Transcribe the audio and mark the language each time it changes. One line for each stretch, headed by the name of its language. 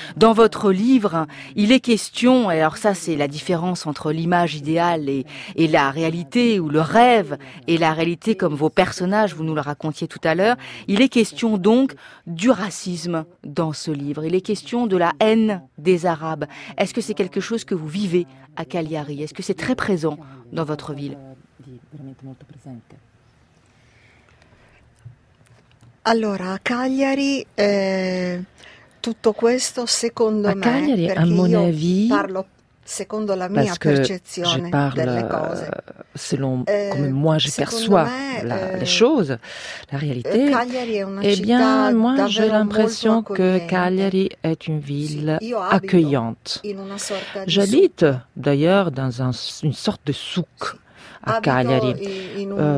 French: Dans votre livre, il est question, et alors ça c'est la différence entre l'image idéale et la réalité, ou le rêve et la réalité, comme vos personnages, vous nous le racontiez tout à l'heure. Il est question donc du racisme dans ce livre. Il est question de la haine des Arabes. Est-ce que c'est quelque chose que vous vivez à Cagliari? Est-ce que c'est très présent dans votre ville? Alors, à
Italian: Cagliari, tutto questo secondo me,
French: à Cagliari, à mon avis,
Italian: parlo secondo la mia percezione
French: je parle
Italian: delle cose.
French: Selon comme moi je perçois les choses, la réalité, eh bien, moi j'ai l'impression que Cagliari est une ville accueillante. J'habite d'ailleurs dans une sorte de souk à Cagliari.